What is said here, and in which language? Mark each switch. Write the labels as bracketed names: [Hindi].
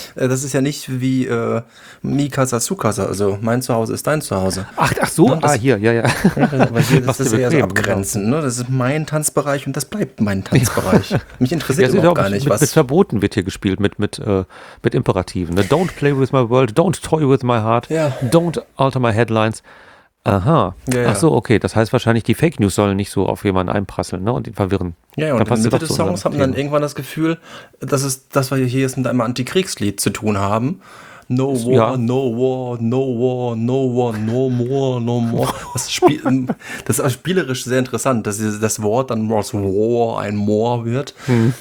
[German] Das ist ja nicht wie Mikasa Tsukasa, also mein Zuhause ist dein Zuhause. Ach so, ja, hier. Das ist eher so abgrenzend, ne? Das ist mein Tanzbereich und das bleibt mein Tanzbereich. Mich interessiert überhaupt auch gar nicht, was. Mit Verboten wird hier gespielt, mit Imperativen. Ne? [English] Don't play with my world, don't toy with my heart, don't alter my headlines. Aha. [German] Ja, ach so, okay. Das heißt wahrscheinlich, die Fake News sollen nicht so auf jemanden einprasseln, ne, und ihn verwirren. Ja, und dann in der Mitte des Songs haben dann irgendwann das Gefühl, dass es das, was wir hier jetzt mit einem Antikriegslied zu tun haben. [English] No war, [German] ja. [English] No war, no war, no war, no more, no more. [German] Das ist spielerisch sehr interessant, dass das Wort dann aus war ein more wird. Hm.